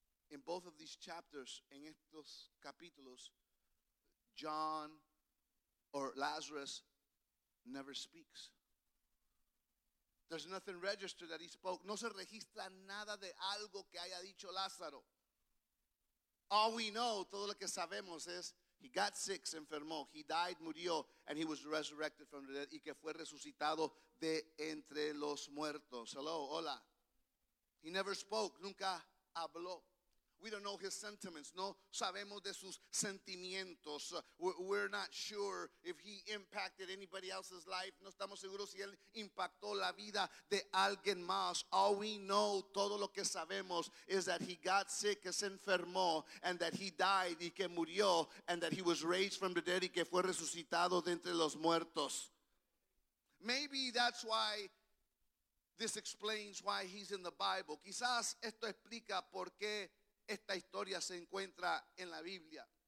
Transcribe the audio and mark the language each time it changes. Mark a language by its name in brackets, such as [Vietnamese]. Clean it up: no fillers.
[English] In both of these chapters, [Spanish] en estos capítulos, [English] John or Lazarus never speaks. There's nothing registered that he spoke. [Spanish] No se registra nada de algo que haya dicho Lázaro. [English] All we know, [Spanish] todo lo que sabemos es, [English] he got sick, [Spanish] se enfermó. [English] He died, [Spanish] murió, [English] and he was resurrected from the dead. [Spanish] Y que fue resucitado de entre los muertos. [English] Hello, hola. He never spoke, [Spanish] nunca habló. [English] We don't know his sentiments. [Spanish] No sabemos de sus sentimientos. [English] We're not sure if he impacted anybody else's life. [Spanish] No estamos seguros si él impactó la vida de alguien más. [English] All we know, [Spanish] todo lo que sabemos, [English] is that he got sick, [Spanish] que se enfermó, [English] and that he died, [Spanish] y que murió, [English] and that he was raised from the dead, [Spanish] y que fue resucitado de entre los muertos. [English] Maybe that's why this explains why he's in the Bible. [Spanish] Quizás esto explica por qué esta historia se encuentra en la Biblia.